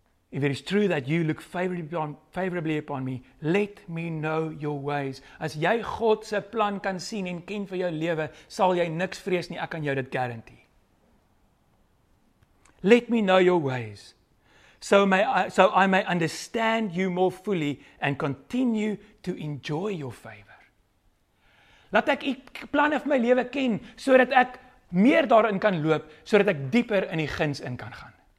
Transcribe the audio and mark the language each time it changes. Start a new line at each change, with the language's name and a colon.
English: If it is true that you look favorably upon me, let me know your ways.
Afrikaans: As jy God se plan kan sien en ken vir jou lewe, sal jy niks vrees nie, ek kan jou dit guarantee.
English: Let me know your ways. So I may understand you more fully and continue to enjoy your favor.
Afrikaans: Laat ek die planne van my lewe ken, sodat ek meer daarin kan loop, sodat ek dieper in die guns in kan gaan.